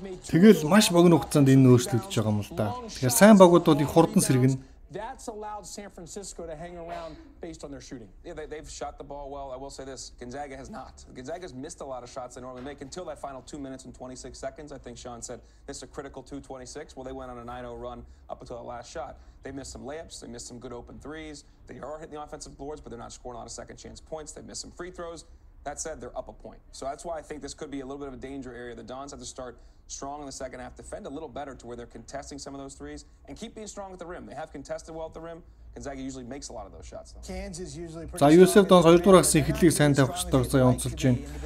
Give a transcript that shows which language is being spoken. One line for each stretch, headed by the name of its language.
Mongolian: Тэгэл маш богино хугацаанд энэ өөрчлөгдөж байгаа юм л да. Тэгэхээр сайн багууд бол их хурдан сэргэн.
English: That's allowed San Francisco to hang around based on their shooting. Yeah, they've shot the ball well. I will say this, Gonzaga has not. Gonzaga's missed a lot of shots they normally make until that final 2 minutes and 26 seconds. I think Sean said this is a critical 2:26. Well, they went on a 9-0 run up until that last shot. They missed some layups, they missed some good open threes. They are hitting the offensive boards, but they're not scoring a lot of second chance points. They missed some free throws. That said, they're up a point. So that's why I think this could be a little bit of a danger area. The Dons have to start strong in the second half, defend a little better to where they're contesting some of those threes and keep being strong at the rim. They have contested well at the rim. Gonzaga usually makes a lot of those shots though. Kansas usually pretty strong.
Mongolian: За USF Dons 2 дугаар хэсгийн хэдлийг сайн тавих хэрэгтэй гэж онцолж байна.